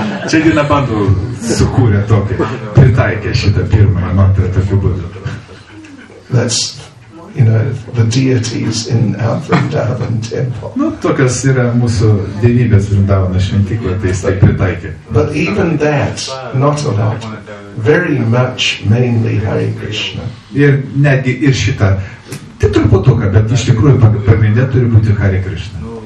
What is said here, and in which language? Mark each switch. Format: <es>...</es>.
<lt>Čia Dinabandhu sukūrė tokį, pritaikė šitą pirmąją mantrą tokiu būdu.</lt> <en>That's, you know, the deities in our Vrindavan temple.</en> <lt>Nu, tokios yra mūsų dievybės Vrindavano šventykloje, tai jis taip pritaikė.</lt> <en>But even that, not a lot, very much mainly Hare Krishna.</en> <lt>Ir netgi ir šita, tai truputuką, bet iš tikrųjų pagrindė turi būti Hare Krishna.</lt>